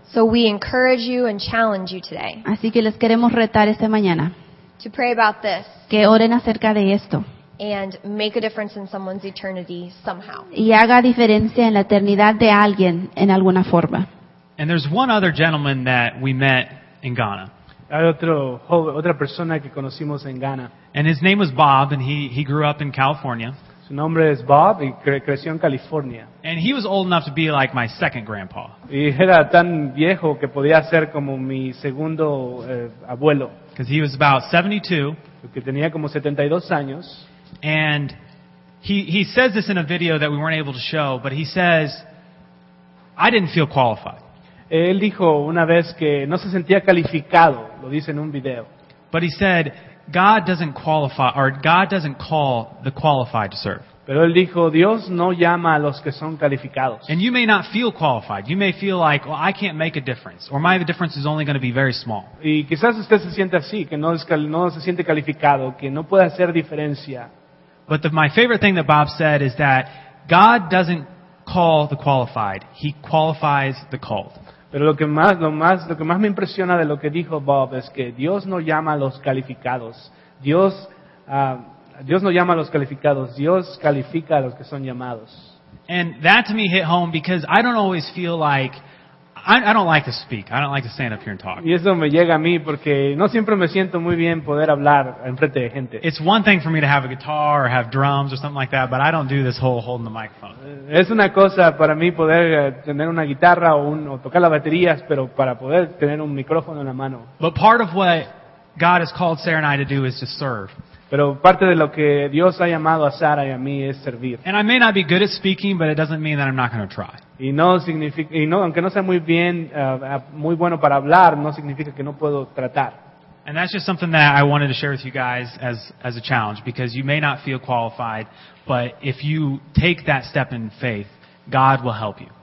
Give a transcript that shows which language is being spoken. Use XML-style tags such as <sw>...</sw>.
<en>So we encourage you and challenge you today.</en> <es>Así que les queremos retar esta mañana.</es> <en>To pray about this.</en> <es>Que oren acerca de esto.</es> <en>And make a difference in someone's eternity somehow.</en> <es>Y haga diferencia en la eternidad de alguien en alguna forma.</es> <en>And there's one other gentleman that we met in Ghana.</en> <es>Hay otra persona que conocimos en Ghana.</es> <en>And his name was Bob, and he grew up in California.</en> <es>Su nombre es Bob y creció en California.</es> <en>And he was old enough to be like my second grandpa.</en> <es>Y era tan viejo que podía ser como mi segundo abuelo.</es> <en>Because he was about 72.</en> <es>Que tenía como 72 años.</es> <en>And he says this in a video that we weren't able to show, but he says, I didn't feel qualified.</en> <es>Él dijo una vez que no se sentía calificado, lo dice en un video.</es> <en>But he said, God doesn't qualify, or God doesn't call the qualified to serve.</en> <es>Pero él dijo, Dios no llama a los que son calificados.</es> <en>And you may not feel qualified. You may feel like, well, I can't make a difference, or my difference is only going to be very small.</en> <es>Y quizás usted se siente así, que no se siente calificado, que no puede hacer diferencia.</es> <en>But my favorite thing that Bob said is that God doesn't call the qualified. He qualifies the called.</en> <es>Pero lo que más me impresiona de lo que dijo Bob es que Dios no llama a los calificados. Dios no llama a los calificados. Dios califica a los que son llamados.</es> <en>And that to me hit home because I don't always feel like I don't like to speak. I don't like to stand up here and talk.</en> <es>Y eso me llega a mí porque no siempre me siento muy bien poder hablar en frente de gente.</es> <en>It's one thing for me to have a guitar or have drums or something like that, but I don't do this whole holding the microphone.</en> <es>Es una cosa para mí poder tener una guitarra o tocar las baterías, pero para poder tener un micrófono en la mano.</es> <en>But part of what God has called Sarah and I to do is to serve.</en> <es>Pero parte de lo que Dios ha llamado a Sara y a mí es servir.</es> <en>And I may not be good at speaking, but it doesn't mean that I'm not going to try.</en> <es>Aunque no sea muy bien, muy bueno para hablar, no significa que no puedo tratar.</es> <en>And that's just something that I wanted to share with you guys as a challenge, because you may not feel qualified, but if you take that step in faith, God will help you.</en>